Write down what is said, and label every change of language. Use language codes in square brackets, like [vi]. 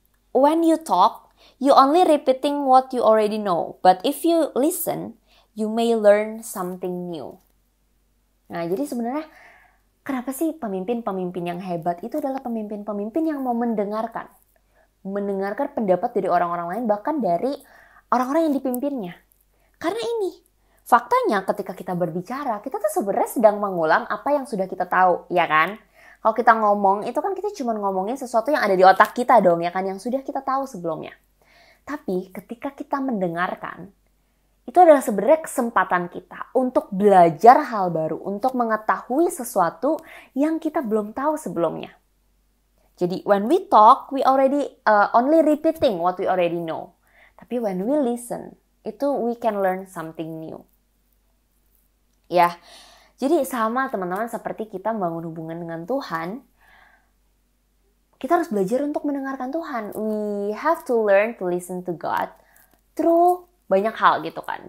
[en] When you talk, you only repeating what you already know. But if you listen, you may learn something new. [id] Nah, jadi sebenarnya kenapa sih pemimpin-pemimpin yang hebat itu adalah pemimpin-pemimpin yang mau mendengarkan. Mendengarkan pendapat dari orang-orang lain, bahkan dari orang-orang yang dipimpinnya. Karena ini, faktanya ketika kita berbicara, kita tuh sebenarnya sedang mengulang apa yang sudah kita tahu, ya kan? Kalau kita ngomong, itu kan kita cuma ngomongin sesuatu yang ada di otak kita dong, ya kan? Yang sudah kita tahu sebelumnya. Tapi ketika kita mendengarkan, itu adalah sebenarnya kesempatan kita untuk belajar hal baru, untuk mengetahui sesuatu yang kita belum tahu sebelumnya. Jadi, [en] when we talk, we already only repeating what we already know. [id] Tapi [en] when we listen, [id] itu [en] we can learn something new. [id] Ya, jadi sama teman-teman seperti kita membangun hubungan dengan Tuhan, kita harus belajar untuk mendengarkan Tuhan. [en] We have to learn to listen to God through [id] banyak hal gitu kan.